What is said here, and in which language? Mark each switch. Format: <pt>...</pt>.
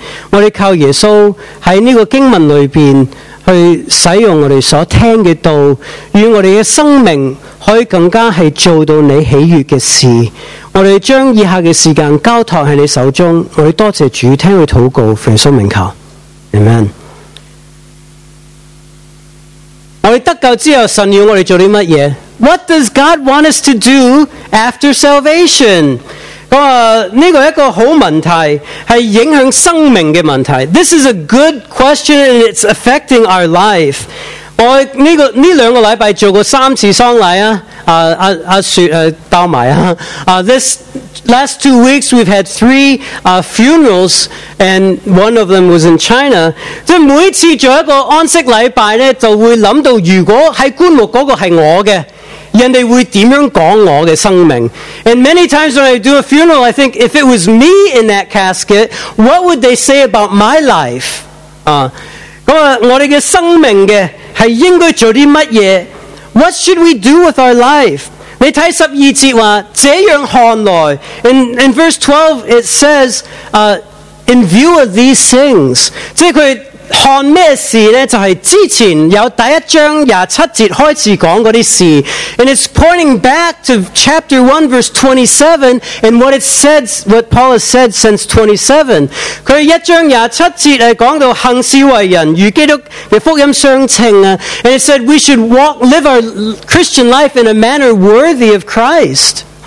<zh>我们靠耶稣在这个经文里面去使用我们所听的道，与我们的生命可以更加是做到你喜悦的事。我们将以下的时间交托在你手中，我们多谢主，听他祷告，奉耶稣名求， Amen。我们得救之后，神要我们做些什么？</zh> <en>What does God want us to do after salvation?</en> <zh>这个一个好问题，是影响生命的问题。</zh> <en>This is a good question and it's affecting our life.</en> <zh>我这两个礼拜做过三次丧礼，</zh> <en>this last 2 weeks we've had three funerals and one of them was in China.</en> <zh>即每次做一个安息礼拜呢，就会想到如果在棺木那个是我的，人家会怎样讲我的生命。</zh> <en>And many times when I do a funeral, I think if it was me in that casket, what would they say about my life?</en> <zh>我们的生命的是应该做些什么？</zh> <en>What should we do with our life?</en> <zh>你看十二节说这样看来，</zh> <en>in verse 12 it says in view of these things,</en> <zh>即是他看什么事呢？就是之前有第一章27节开始讲的那些事。</zh> <en>And it's pointing back to chapter 1 verse 27 and what it says, what Paul has said since 27.</en> <zh>他一章27节是讲到行事为人与基督的福音相称，</zh> <en>and it said we should walk, live our Christian life in a manner worthy of Christ.</en>